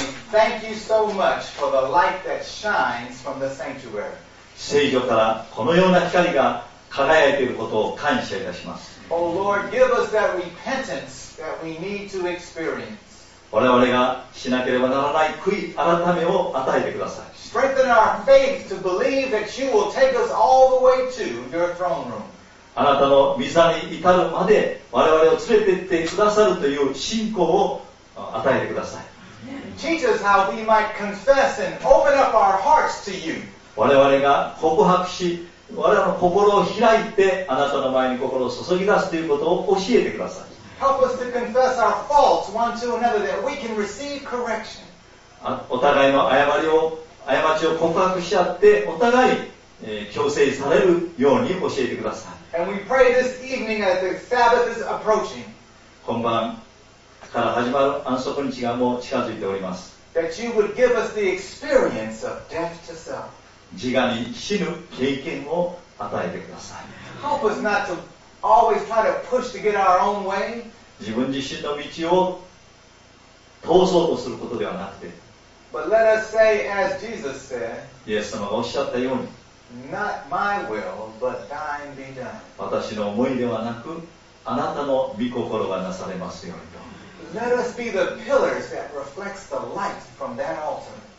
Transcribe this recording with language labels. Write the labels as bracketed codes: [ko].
[en] Thank you so much for the light that shines from the sanctuary. [ja] 聖所からこのような光が輝いていることを感謝いたします。 [en] Oh Lord, give us that repentance that we need to experience. [ja] 我々がしなければならない悔い改めを与えてください。 [en] Strengthen our faith to believe that you will take us all the way to your throne room. [ja] あなたの御座に至るまで我々を連れて行ってくださるという信仰を与えてください。 [en] Teach us how we might confess and open up our hearts to you. [ja] 我々が告白し、我々の心を開いてあなたの前に心を注ぎ出すということを教えてください。 [en] Help us to confess our faults one to another that we can receive correction. [ja] お互いの過ちを告白し合って、お互い強制されるように教えてください。 [en] And we pray this evening as the Sabbath is approaching. [ja] 今晩から始まる安息日がもう近づいております。 [en] That you would give us the experience of death to self. [ja] 自我に死ぬ経験を与えてください。 [en] Help us not to always try to push to get our own way. [ja] 自分自身の道を通そうとすることではなくて、 [en] But let us say as Jesus said, [ja] イエス様がおっしゃったように、 [en] Not my will, but thine be done. [ja] 私の思いではなく、あなたの御心がなされますようにと。 [en] Let us be the pillars that reflects the light from that altar.